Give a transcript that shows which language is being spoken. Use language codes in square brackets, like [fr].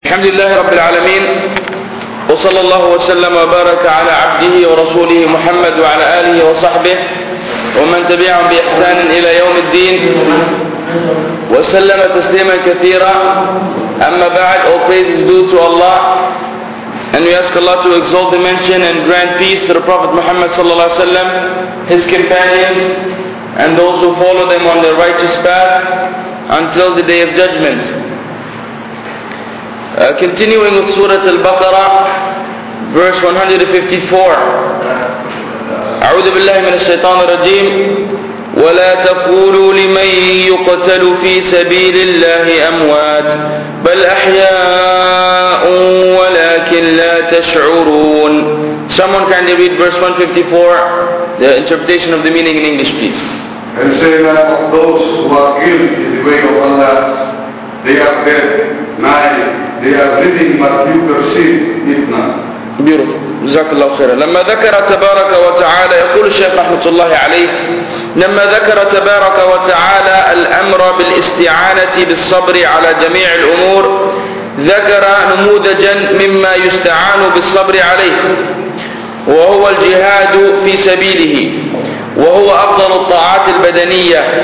[ar] الحمد لله رب العالمين، وصلى الله وسلم وبارك على عبده ورسوله محمد وعلى آله وصحبه ومن تبعهم بإحسان إلى يوم الدين وسلم تسليما كثيرا. أما بعد، [en] all praise is due to Allah and we ask Allah to exalt the mention and grant peace to the Prophet Muhammad [ar] صلى الله عليه وسلم, [en] his companions and those who follow them on their righteous path until the day of judgment. Continuing with Surah Al-Baqarah, verse 154. [ar] أعوذ بالله من الشيطان الرجيم. ولا تقولوا لمن يقتل في سبيل الله أموات بل أحياء ولكن لا تشعرون. [en] Someone can read verse 154, the interpretation of the meaning in English, please. And say that those who are killed in the way of Allah, they are dead. They are living, but you perceive it not. Beautiful. [ar] جزاك الله خيرا. لما ذكر تبارك وتعالى، يقول الشيخ رحمة الله عليه، لما ذكر تبارك وتعالى الأمر بالاستعانة بالصبر على جميع الأمور، ذكر نموذجا مما يستعان بالصبر عليه، وهو الجهاد في سبيله، وهو أفضل الطاعات البدنية.